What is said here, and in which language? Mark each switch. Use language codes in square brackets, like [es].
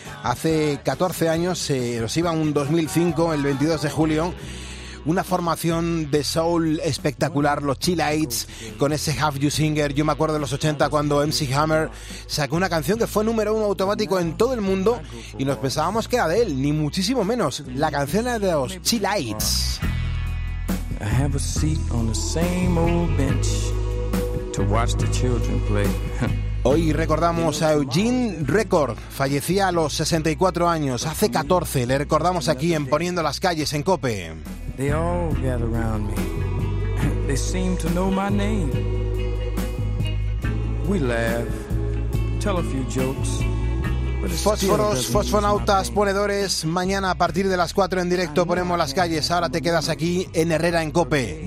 [es] Hace 14 años, se nos iba un 2005, el 22 de julio, una formación de soul espectacular, los Chillites, con ese Have You Singer. Yo me acuerdo de los 80 cuando MC Hammer sacó una canción que fue número uno automático en todo el mundo y nos pensábamos que era de él, ni muchísimo menos. La canción era de los Chillites. [en] I have a seat on the same old bench to watch the children play. [es] Hoy recordamos a Eugene Record, fallecía a los 64 años, hace 14, le recordamos aquí en Poniendo las Calles en COPE. [en] They all gather around me, they seem to know my name. We laugh, tell a few jokes. [es] Fósforos, fosfonautas, ponedores, mañana a partir de las 4 en directo ponemos las calles. Ahora te quedas aquí en Herrera en COPE.